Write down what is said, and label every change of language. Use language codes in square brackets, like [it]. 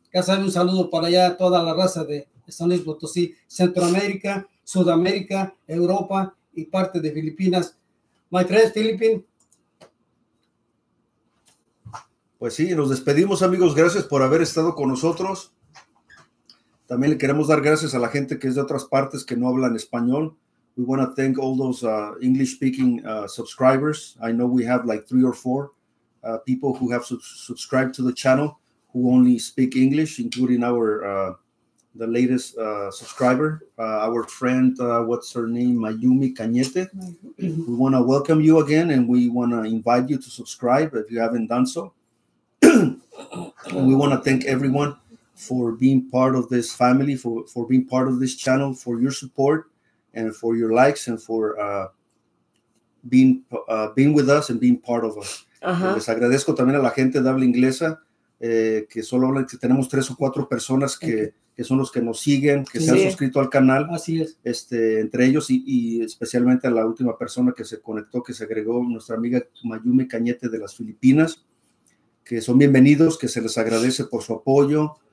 [es] Ya saben, un saludo para allá a toda la raza de San Luis Potosí, Centroamérica, Sudamérica, Europa y parte de Filipinas. [en] My friend, Philippine. [es] Pues sí, nos despedimos, amigos. Gracias por haber estado con nosotros. También le queremos dar gracias a la gente que es de otras partes que no hablan español. [en] We want to thank all those English-speaking subscribers. I know we have like 3 or 4 people who have subscribed to the channel who only speak English, including our the latest subscriber, our friend, what's her name, Mayumi Cañete. Mm-hmm. We want to welcome you again, and we want to invite you to subscribe if you haven't done so. And we want to thank everyone for being part of this family, for being part of this channel, for your support and for your likes and for being with us and being part of us. Uh-huh. [es] Les agradezco también a la gente de habla inglesa, que solo hablan, que tenemos 3 o 4 personas que son los que nos siguen, que se han suscrito al canal. Así es. Entre ellos y especialmente a la última persona que se conectó, que se agregó, nuestra amiga Mayumi Cañete de las Filipinas, que son bienvenidos, que se les agradece por su apoyo.